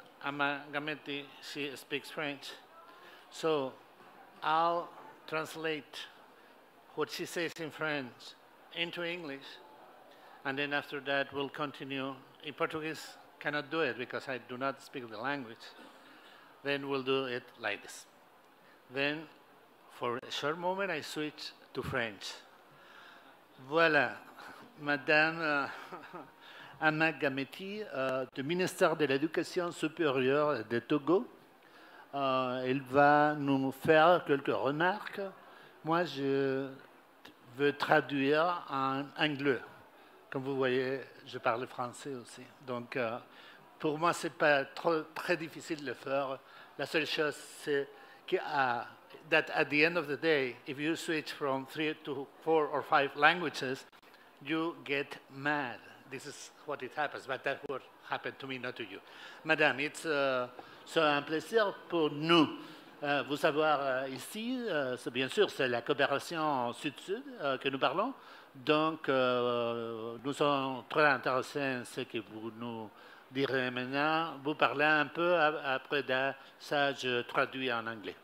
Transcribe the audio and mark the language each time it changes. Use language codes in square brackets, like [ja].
[en] Ama Gametti, she speaks French. So I'll translate what she says in French into English, and then after that we'll continue. In Portuguese, cannot do it because I do not speak the language. Then we'll do it like this. Then, for a short moment, I switch to French. [fr] Voilà, Madame Ama Gametti, du ministère de l'éducation supérieure de Togo. Elle va nous faire quelques remarques. Moi, je veux traduire en anglais. Comme vous voyez, je parle français aussi. Donc, pour moi, ce n'est pas très difficile de le faire. La seule chose, c'est que, [en] that at the end of the day, if you switch from 3 to 4 or 5 languages, you get mad. This is what it happens, but that would happen to me, not to you. Madame, it's... [fr] C'est un plaisir pour nous vous avoir ici. C'est bien sûr, c'est la coopération Sud-Sud que nous parlons. Donc, nous sommes très intéressés en ce que vous nous direz maintenant. Vous parlez un peu après ça, je traduis en anglais.